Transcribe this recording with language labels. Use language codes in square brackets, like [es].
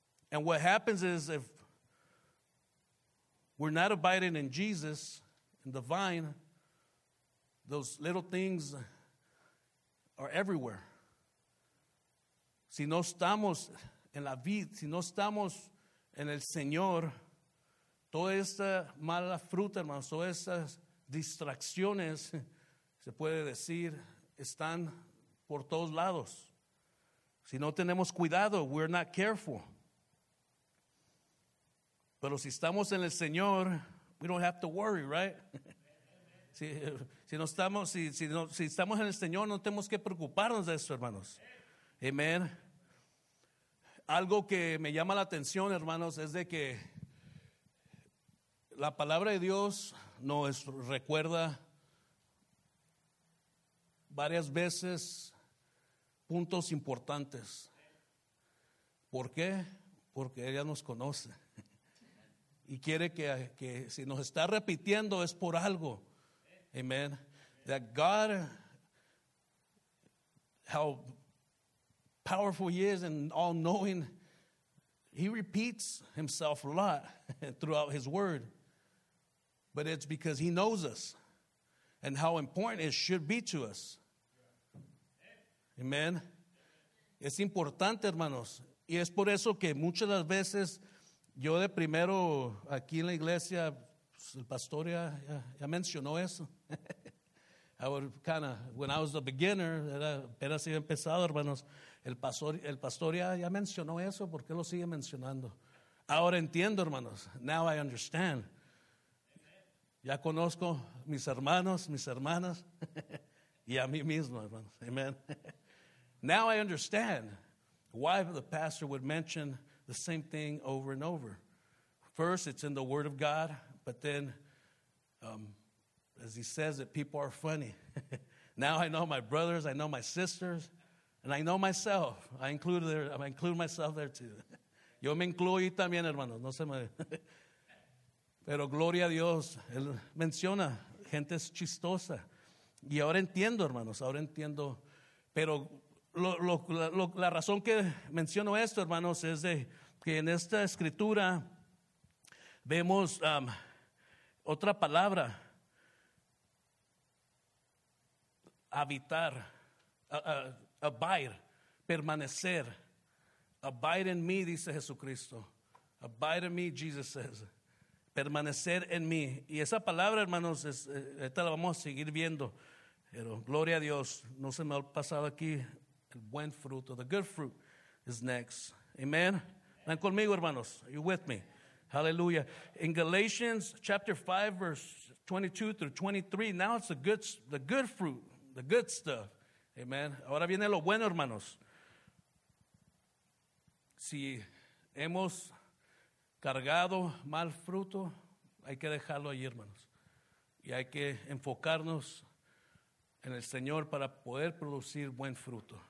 [en] And what happens is if we're not abiding in Jesus, in the vine, those little things are everywhere. [es] Si no estamos en la vid, si no estamos en el Señor, toda esta mala fruta, hermanos, todas esas distracciones, se puede decir, están por todos lados. Si no tenemos cuidado, [en] we're not careful. [es] Pero si estamos en el Señor, [en] we don't have to worry, right? [es] Si estamos en el Señor, no tenemos que preocuparnos de eso, hermanos. Amen. Algo que me llama la atención, hermanos, es de que la palabra de Dios nos recuerda varias veces puntos importantes. ¿Por qué? Porque ella nos conoce y quiere que si nos está repitiendo es por algo. Amen. [en] That God, how powerful he is and all knowing, he repeats himself a lot throughout his word. But it's because he knows us and how important it should be to us. Amen. [es] Es importante, hermanos. Y es por eso que muchas de las veces yo de primero aquí en la iglesia, el pastor ya mencionó eso. [en] I would kind of, when I was a beginner, [es] era apenas había empezado, hermanos. El pastor ya mencionó eso, ¿por qué lo sigue mencionando? Ahora entiendo, hermanos. [en] Now I understand. [es] Ya conozco mis hermanos, mis hermanas, y a mí mismo, hermanos. Amen. [en] Now I understand why the pastor would mention the same thing over and over. First, it's in the Word of God, but then, as he says, that people are funny. Now I know my brothers, I know my sisters, and I know myself. I include myself there too. [es] Yo me incluyo también, hermanos. No se me. Pero gloria a Dios. Él menciona gente es chistosa, y ahora entiendo, hermanos. Ahora entiendo. Pero la razón que menciono esto, hermanos, es de que en esta escritura vemos otra palabra. Habitar, abide, permanecer. [en] Abide in me, [es] dice Jesucristo. [en] Abide in me, Jesus says. [es] Permanecer en mí. Y esa palabra, hermanos, esta la vamos a seguir viendo. Pero gloria a Dios, no se me ha pasado aquí. El buen fruto, [en] the good fruit is next. [es] Amen. Están conmigo, hermanos. [en] Are you with me? Hallelujah. In Galatians chapter 5, verse 22 through 23, now it's the good fruit. The good stuff. Amen. [es] Ahora viene lo bueno, hermanos. Si hemos cargado mal fruto, hay que dejarlo ahí, hermanos. Y hay que enfocarnos en el Señor para poder producir buen fruto.